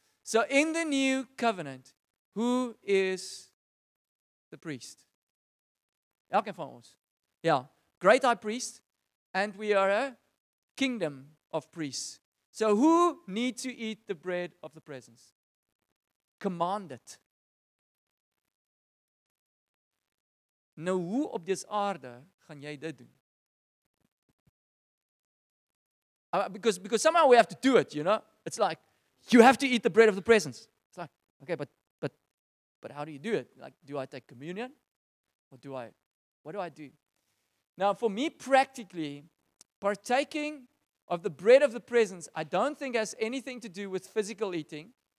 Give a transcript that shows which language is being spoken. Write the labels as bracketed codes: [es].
[en] So in the new covenant, who is the priest? [af] Elkeen van ons. [en] Ja, great high priest. And we are a kingdom of priests. So who need to eat the bread of the presence? Command it. [af] Nou, hoe op dis aarde gaan jy dit doen? [en] Because somehow we have to do it, you know? It's like, you have to eat the bread of the presence. It's like, okay, but how do you do it? Like, do I take communion? Or do I, what do I do? Now, for me, practically, partaking of the bread of the presence, I don't think has anything to do with physical eating.